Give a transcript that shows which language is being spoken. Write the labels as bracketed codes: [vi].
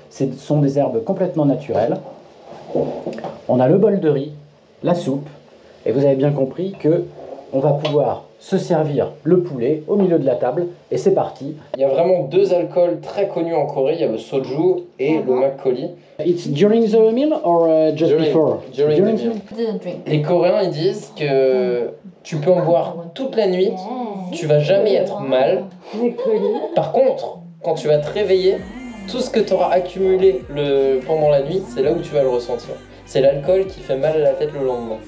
[fr] Ce sont des herbes complètement naturelles. On a le bol de riz, la soupe, et vous avez bien compris que on va pouvoir se servir le poulet au milieu de la table, et c'est parti. Il y a vraiment deux alcools très connus en Corée, il y a le soju et le makgeolli. [en] It's during the meal or just during, before? During the meal. [fr] Les Coréens, ils disent que tu peux en boire toute la nuit, tu vas jamais être mal. Par contre, quand tu vas te réveiller, tout ce que tu auras accumulé pendant la nuit, c'est là où tu vas le ressentir. C'est l'alcool qui fait mal à la tête le lendemain.